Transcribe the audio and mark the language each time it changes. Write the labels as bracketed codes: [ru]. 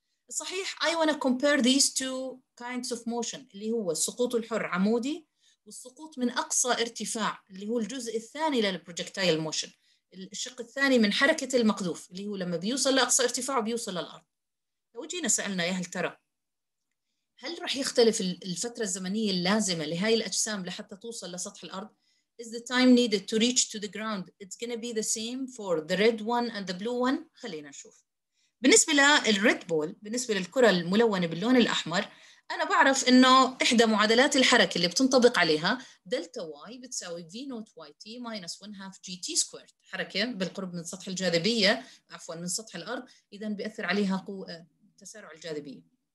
[ar] صحيح, [en] I want to compare these two kinds of motion [ar] اللي هو السقوط الحر عمودي والسقوط من أقصى ارتفاع اللي هو الجزء الثاني للبروجكتايل موشن, الشق الثاني من حركة المقذوف اللي هو لما بيوصل لأقصى ارتفاع وبيوصل للأرض. لو جينا سألنا يا هل ترى هل رح يختلف الفترة الزمنية اللازمة لهاي الأجسام لحتى توصل لسطح الأرض؟ [en] Is the time needed to reach to the ground? It's gonna be the same for the red one and the blue one. [ar] خلينا نشوف. بالنسبة للريد بول, بالنسبة للكرة الملونة باللون الأحمر, أنا بعرف إنه إحدى معادلات الحركة اللي بتنطبق عليها دلتا واي بتساوي في نوت واي تي ماينس 1/2 جي تي سكويرد, حركة بالقرب من سطح الجاذبية, عفوا من سطح الأرض, إذا بيأثر عليها قوة تسارع الجاذبية.